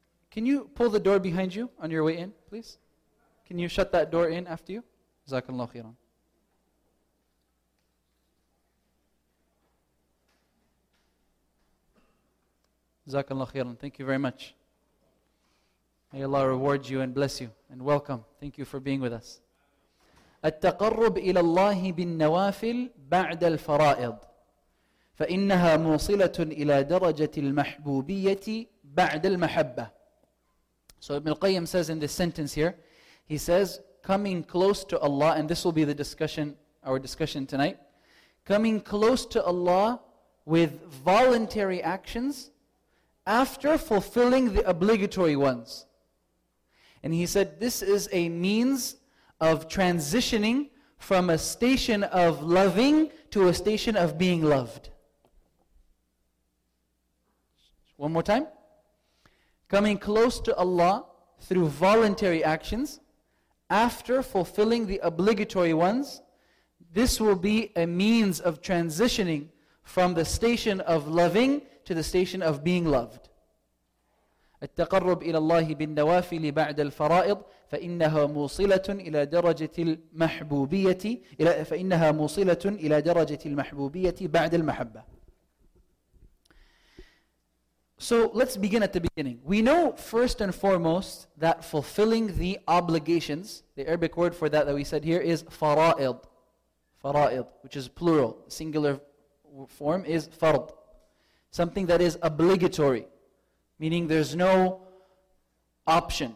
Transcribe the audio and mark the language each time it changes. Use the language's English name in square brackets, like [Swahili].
[English] Can you pull the door behind you on your way in, please? Can you shut that door in after you? Jazakallah khairan. Jazakallah khairan. Thank you very much. May Allah reward you and bless you. And welcome. Thank you for being with us. [Arabic] التقرب إلى الله بالنوافل بعد الفرائض فإنها موصلة إلى درجة المحبوبية بعد المحبة. [English] So Ibn al-Qayyim says in this sentence here, he says, coming close to Allah, and this will be the discussion, our discussion tonight, coming close to Allah with voluntary actions after fulfilling the obligatory ones. And he said, this is a means of transitioning from a station of loving to a station of being loved. One more time. Coming close to Allah through voluntary actions, after fulfilling the obligatory ones, this will be a means of transitioning from the station of loving to the station of being loved. [Arabic] التقرب إلى الله بالنوافل بعد الفرائض فإنها موصلة إلى درجة المحبوبية فإنها موصلة إلى درجة المحبوبية بعد المحبة. [English] So let's begin at the beginning. We know first and foremost that fulfilling the obligations, the Arabic word for that we said here is فرائض, فرائض, which is plural, singular form is فرض, something that is obligatory, meaning there's no option.